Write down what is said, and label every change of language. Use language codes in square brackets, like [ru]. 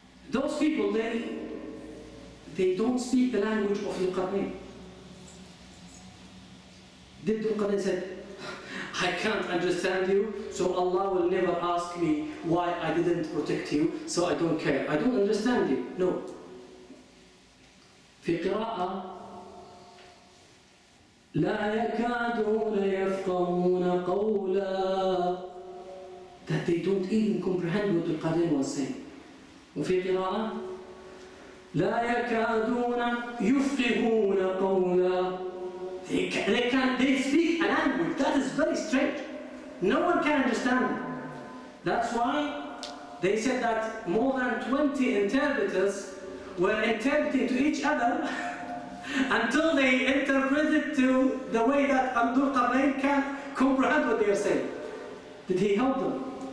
[en] Those people, they don't speak the language of Dhul Qarnayn. Did Dhul Qarnayn say, I can't understand you, so Allah will never ask me why I didn't protect you, so I don't care. I don't understand you. No. [ar] في قراءة لا يكادون يفقهون قولا. [en] That they don't even comprehend what Dhul Qarnayn was saying. [ar] وفي قراءة لا يكادون يفقهون قولا. [en] They speak a language that is very strange. No one can understand them. That's why they said that more than 20 interpreters were interpreting to each other until they interpreted to the way that Abdul Qarnayn can comprehend what they are saying. Did he help them?